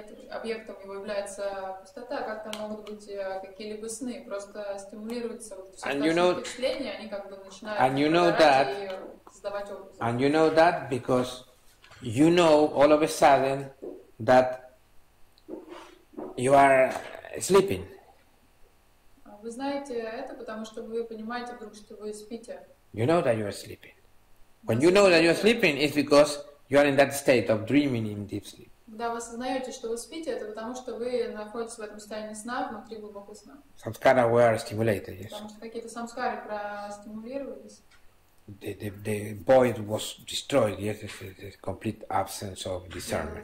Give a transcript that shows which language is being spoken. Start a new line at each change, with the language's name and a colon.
Russian: Объектом его является пустота, как там могут быть какие-либо сны, просто стимулируются впечатления, они как бы начинают создавать образы.
English: And you know that because you know all of a sudden that you are sleeping.
Russian: Вы знаете это, потому что вы понимаете вдруг, что вы спите.
English: You know that you are sleeping. When you know that you are sleeping, it's because you are in that state of dreaming in deep sleep.
Russian: Когда вы осознаете, что вы спите, это потому, что вы находитесь в этом состоянии сна, внутри глубокого сна.
English: Самскара were stimulated, yes.
Russian: Потому что какие-то самскары простимулировались.
English: The void was destroyed, yes, the complete absence of discernment.